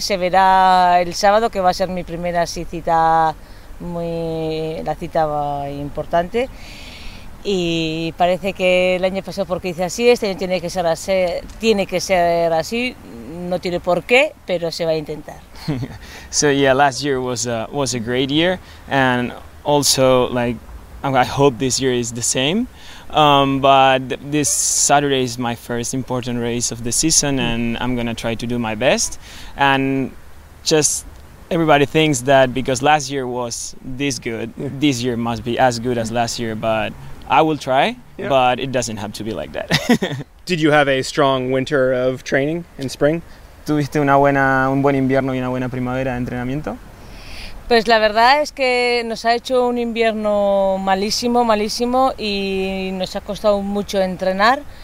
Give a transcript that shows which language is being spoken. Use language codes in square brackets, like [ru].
[es] Se verá el sábado, que va a ser mi primera cita. La cita va importante y parece que el año pasado porque hice así, este año tiene que ser así, no tiene por qué, pero se va a intentar. [en] So yeah, last year was a great year, and also, like, I hope this year is the same. But this Saturday is my first important race of the season, and I'm gonna try to do my best. And just, everybody thinks that because last year was this good, this year must be as good as last year, but I will try, but it doesn't have to be like that. Did you have a strong winter of training in spring? [es] ¿Tuviste un buen invierno y una buena primavera de entrenamiento? Pues la verdad es que nos ha hecho un invierno malísimo, malísimo, y nos ha costado mucho entrenar.